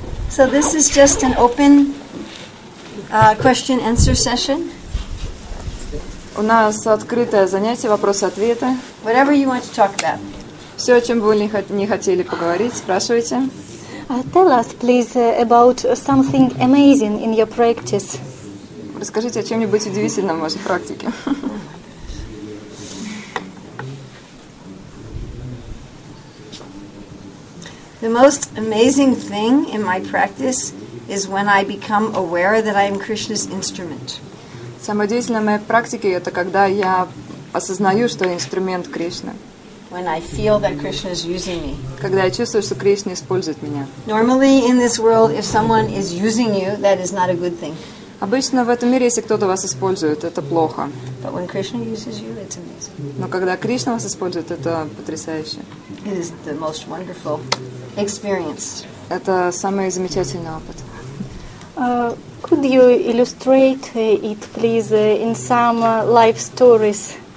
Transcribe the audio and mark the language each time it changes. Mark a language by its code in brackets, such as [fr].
[en] So this is just an open question-answer session. [ru] У нас открытое занятие, вопросы-ответы. [en] Whatever you want to talk about. [ru] Все, о чем бы вы не хотели поговорить, спрашивайте. [en] Tell us, please, about something amazing in your practice. [ru] Расскажите о чем-нибудь удивительном в вашей практике. [en] The most amazing thing in my practice is when I become aware that I am Krishna's instrument. [ru] Самое удивительное в моей практике это когда я осознаю, что я инструмент Кришны. [en] When I feel that Krishna is using me. [ru] Когда я чувствую, что Кришна использует меня. [en] Normally in this world, if someone is using you, that is not a good thing. [ru] Обычно в этом мире, если кто-то вас использует, это плохо. [en] But when Krishna uses you, it's amazing. [ru] Но когда Кришна вас использует, это потрясающе. [en] It is the most wonderful experience. [ru] Это самый замечательный опыт. [en] Could you illustrate it, please, in some life stories?